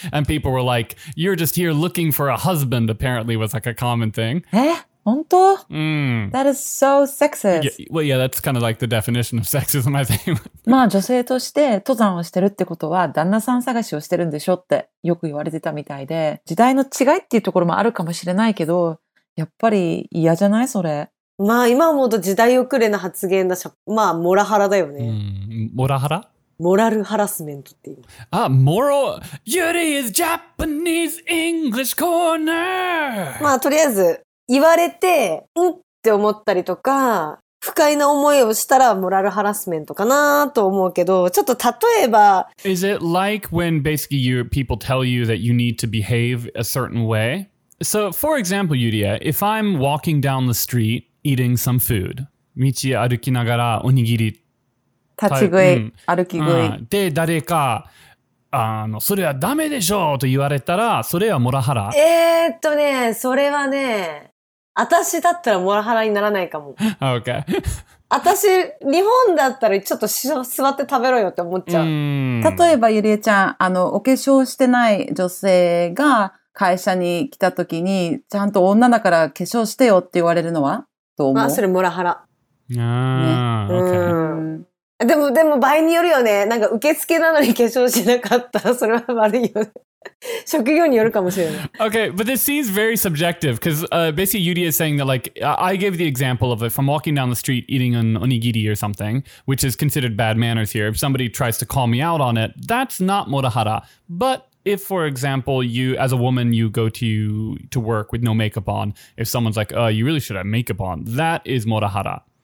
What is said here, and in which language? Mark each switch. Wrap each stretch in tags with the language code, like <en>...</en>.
<en>And people were like, you're just here looking for a husband, apparently, was like a common thing. Eh?</en> <ja>本当?</ja> <en>That is so sexist. Yeah, well, yeah, that's kind of like the definition of sexism, I think.</en> <ja>まあ、女性として登山をしてるってことは、旦那さん探しをしてるんでしょってよく言われてたみたいで、時代の違いっていうところもあるかもしれないけど、やっぱり嫌じゃないそれ。まあ、今思うと時代遅れな発言だし、まあ、モラハラだよね。モラハラ？モラルハラスメントっていう。あ、モロ、</ja> <en>Yuri is Japanese English Corner!</en> <ja>まあ、とりあえず、言われて、うんって思ったりとか、不快な思いをしたら、モラルハラスメントかなと思うけど、ちょっと例えば。</ja> <en>Is it like when basically you, people tell you that you need to behave a certain way? So, for example, Yuria, if I'm walking down the street eating some food,</en> <ja>道歩きながらおにぎり。立ち食い、歩き食い。で、誰か、あの、それはダメでしょうと言われたら、それはモラハラ。ね、それはね、私だったらモラハラにならないかも。</ja> <en>Okay.</en> <ja>私、日本だったらちょっと座って食べろよって思っちゃう。例えば、ゆりえちゃん、あの、お化粧してない女性が会社に来た時に、ちゃんと女だから化粧してよって言われるのは、どう思う？まあ、それモラハラ。ああ、okay. でも場合によるよね。なんか受付なのに化粧しなかったらそれは悪いよね。職業によるかもしれない。</ja> <en>Okay, but this seems very subjective because basically Yuri is saying that like I gave the example of it from walking down the street eating an onigiri or something, which is considered bad manners here. If somebody tries to call me out on it, that's not morahara. But if, for example, you as a woman you go to work with no makeup on, if someone's like, oh, you really should have makeup on, that is morahara.</en>